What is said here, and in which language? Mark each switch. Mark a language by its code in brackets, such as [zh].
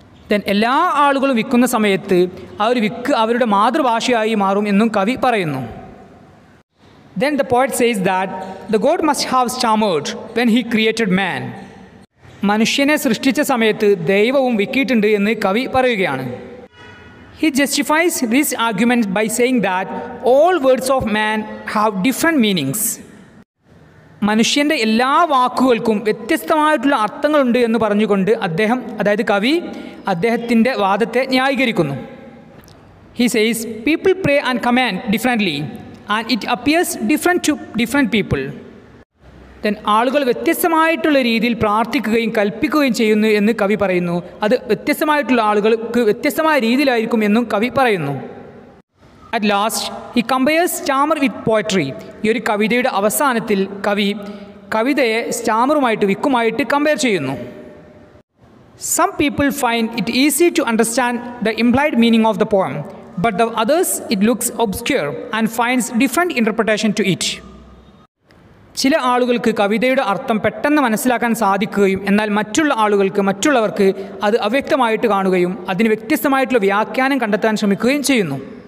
[ml] Then എല്ലാ ആളുകളും വിൽക്കുന്ന സമയത്ത് അവർ വിക്ക് അവരുടെ മാതൃഭാഷയായി മാറും എന്നും കവി പറയുന്നു. [en] Then the poet says that the God must have stammered when he created man. [ml] മനുഷ്യനെ സൃഷ്ടിച്ച സമയത്ത് ദൈവവും വിക്കിയിട്ടുണ്ട് എന്ന് കവി പറയുകയാണ്. [en] He justifies this argument by saying that all words of man have different meanings. [ml] മനുഷ്യൻ്റെ എല്ലാ വാക്കുകൾക്കും വ്യത്യസ്തമായിട്ടുള്ള അർത്ഥങ്ങളുണ്ട് എന്ന് പറഞ്ഞുകൊണ്ട് അദ്ദേഹം, അതായത് കവി, അദ്ദേഹത്തിൻ്റെ വാദത്തെ ന്യായീകരിക്കുന്നു. [en] He says, people pray and command differently and it appears different to different people. [ml] Then ആളുകൾ വ്യത്യസ്തമായിട്ടുള്ള രീതിയിൽ പ്രാർത്ഥിക്കുകയും കൽപ്പിക്കുകയും ചെയ്യുന്നു എന്ന് കവി പറയുന്നു. അത് വ്യത്യസ്തമായിട്ടുള്ള ആളുകൾക്ക് വ്യത്യസ്തമായ രീതിയിലായിരിക്കും എന്നും കവി പറയുന്നു. [en] At last, he compares stammer with poetry. [ml] ഈ ഒരു കവിതയുടെ അവസാനത്തിൽ കവി കവിതയെ സ്റ്റാമറുമായിട്ട് വിക്കുമായിട്ട് കമ്പയർ ചെയ്യുന്നു. [en] Some people find it easy to understand the implied meaning of the poem, but the others, it looks obscure and finds different interpretation to it. [ml] ചില ആളുകൾക്ക് കവിതയുടെ അർത്ഥം പെട്ടെന്ന് മനസ്സിലാക്കാൻ സാധിക്കുകയും എന്നാൽ മറ്റുള്ള ആളുകൾക്ക് മറ്റുള്ളവർക്ക് അത് അവ്യക്തമായിട്ട് കാണുകയും അതിന് വ്യത്യസ്തമായിട്ടുള്ള വ്യാഖ്യാനം കണ്ടെത്താൻ ശ്രമിക്കുകയും ചെയ്യുന്നു.